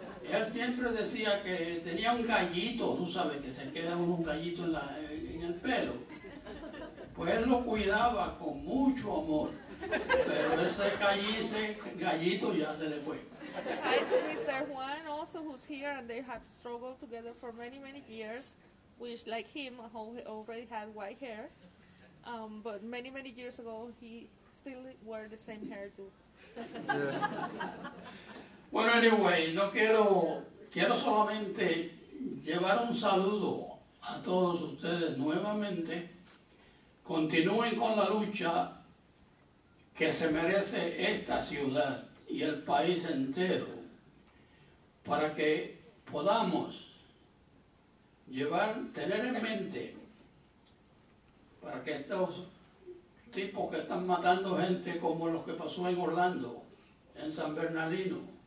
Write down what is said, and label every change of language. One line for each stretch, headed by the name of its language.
Spanish: Él siempre decía que tenía un gallito, tú sabes que se queda un gallito en el pelo. Pues él lo cuidaba con mucho amor, pero ese gallito ya se le fue.
English: Hi to Mr. Juan, also who's here, and they have struggled together for many, many years, which like him, already had white hair, but many, many years ago, he still wore the same hair too.
Spanish: Bueno, anyway, no quiero solamente llevar un saludo a todos ustedes nuevamente. Continúen con la lucha que se merece esta ciudad y el país entero para que podamos tener en mente para que estos tipos que están matando gente como los que pasó en Orlando, en San Bernardino,